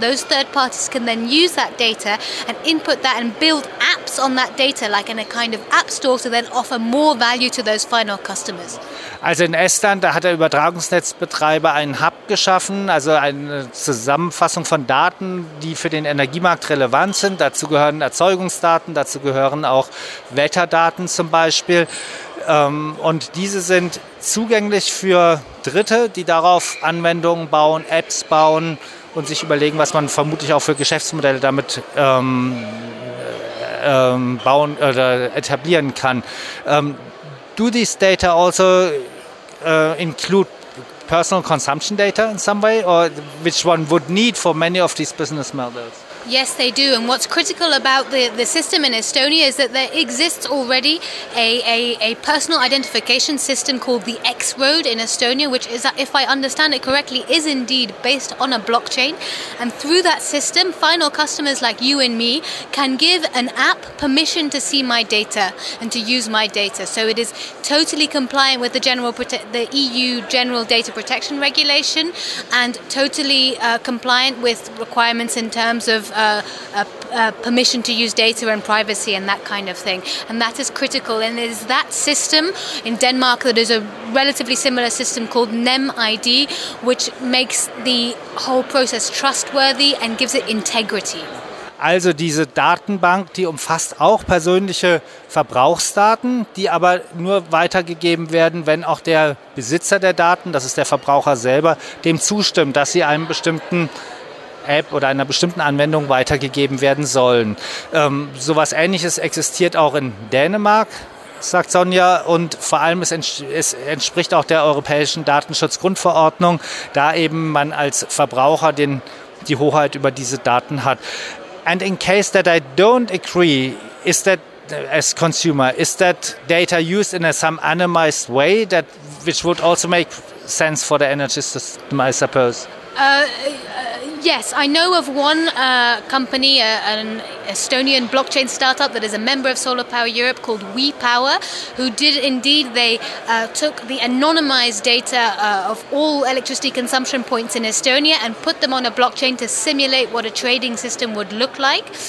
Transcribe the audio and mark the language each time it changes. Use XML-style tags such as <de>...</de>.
<en>Those third parties can then use that data and input that and build apps on that data, like in a kind of app store, to then offer more value to those final customers.</en> <de>Also in Estland, da hat der Übertragungsnetzbetreiber einen Hub geschaffen, also eine Zusammenfassung von Daten, die für den Energiemarkt relevant sind. Dazu gehören Erzeugungsdaten, dazu gehören auch Wetterdaten zum Beispiel. Und diese sind zugänglich für Dritte, die darauf Anwendungen bauen, Apps bauen und sich überlegen, was man vermutlich auch für Geschäftsmodelle damit bauen oder etablieren kann.</de> <en>Do these data also include personal consumption data in some way, or which one would need for many of these business models? Yes, they do. And what's critical about the system in Estonia is that there exists already a personal identification system called the X-Road in Estonia, which is, if I understand it correctly, is indeed based on a blockchain. And through that system, final customers like you and me can give an app permission to see my data and to use my data. So it is totally compliant with the EU General Data Protection Regulation and totally compliant with requirements in terms of permission to use data and privacy and that kind of thing. And that is critical. And it is that system in Denmark that is a relatively similar system called NemID, which makes the whole process trustworthy and gives it integrity.</en> <de>Also diese Datenbank, die umfasst auch persönliche Verbrauchsdaten, die aber nur weitergegeben werden, wenn auch der Besitzer der Daten, das ist der Verbraucher selber, dem zustimmt, dass sie einem bestimmten App oder einer bestimmten Anwendung weitergegeben werden sollen. Sowas Ähnliches existiert auch in Dänemark, sagt Sonja, und vor allem es entspricht auch der Europäischen Datenschutzgrundverordnung, da eben man als Verbraucher die Hoheit über diese Daten hat.</de> <en>And in case that I don't agree, is that, as consumer, is that data used in some anonymized way, that which would also make sense for the energy system, I suppose? Yes, I know of one company, an Estonian blockchain startup that is a member of Solar Power Europe called WePower, who did indeed, they took the anonymized data of all electricity consumption points in Estonia and put them on a blockchain to simulate what a trading system would look like.</en>